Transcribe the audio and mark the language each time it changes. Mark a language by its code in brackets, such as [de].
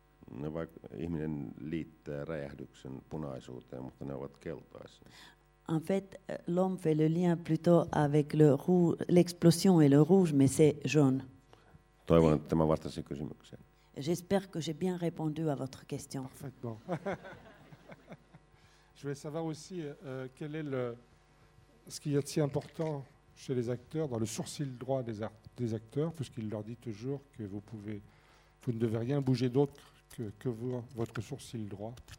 [fi] Ne vaik, ihminen liittää räjähdyksen punaisuuteen, mutta ne ovat keltaisia. [fr] En fait, l'homme fait le lien plutôt avec le rouge, l'explosion et le rouge, mais c'est jaune. [fi] Toivon, että mä vastasin kysymykseen. [fr] J'espère que j'ai bien répondu à votre question. Parfaitement. Je voulais savoir aussi quel est le ce qu'il y a de si important chez les acteurs dans le sourcil droit des acteurs, puisqu'il leur dit toujours que vous ne devez rien bouger d'autre que votre sourcil droit.